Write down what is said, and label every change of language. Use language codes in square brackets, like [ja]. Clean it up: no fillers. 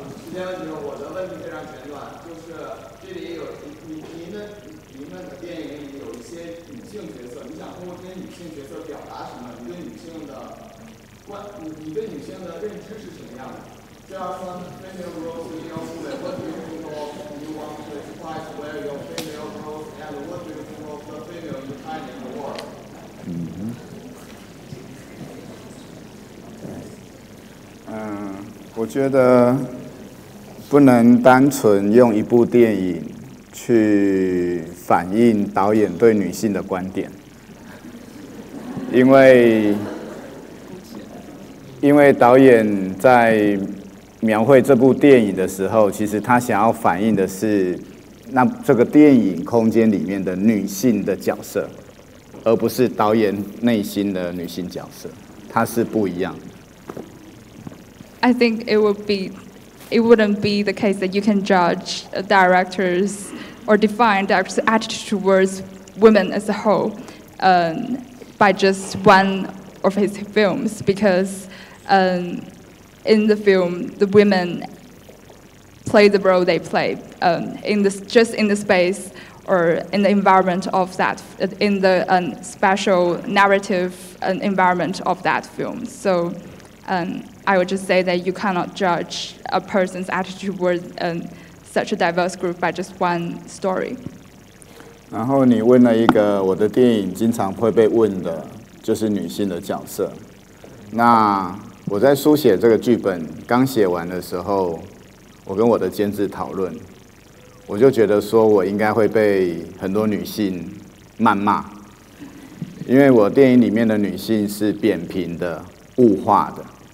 [zh] 今天我的问题非常简短，就是这里有您们的电影里有一些女性角色，你想通过这些女性角色表达什么？你对女性的认知是什么样的？第二呢 [en] ，female roles in your movie, what do you think of? Do you want to surprise where your female roles and what do you think of the female in China in the world? [zh] 我觉得不能单纯用一部电影去反映导演对女性的观点，因为导演在描绘这部电影的时候，其实他想要反映的是那这个电影空间里面的女性的角色，而不是导演内心的女性角色，它是不一样的。 [en] I think it wouldn't be the case that you can judge directors or define directors' attitude towards women as a whole by just one of his films, because in the film, the women play the role they play in the space or in the environment of that, in the special narrative environment of that film. So. I would just say that you cannot judge a person's attitude towards such a diverse group by just one story. [zh] 然后你问了一个我的电影经常会被问的，就是女性的角色。那我在书写这个剧本刚写完的时候，我跟我的监制讨论，我就觉得说我应该会被很多女性谩骂，因为我电影里面的女性是扁平的、物化的。